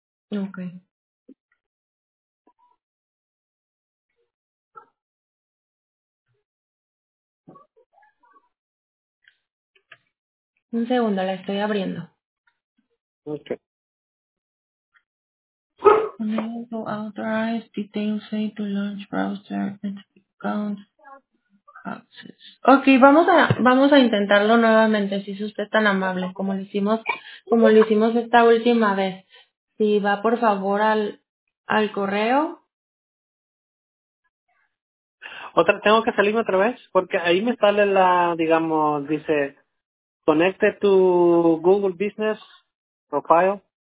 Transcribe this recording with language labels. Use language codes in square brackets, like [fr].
[es] Okay. Un segundo, la estoy abriendo. Okay. [en] Enable to authorize details saved to launch browser and account access. [es] Okay, vamos a intentarlo nuevamente, si es usted tan amable, como lo hicimos esta última vez. Si va por favor al correo. Otra, tengo que salirme otra vez, porque ahí me sale la, digamos, dice, conecte tu Google Business Profile.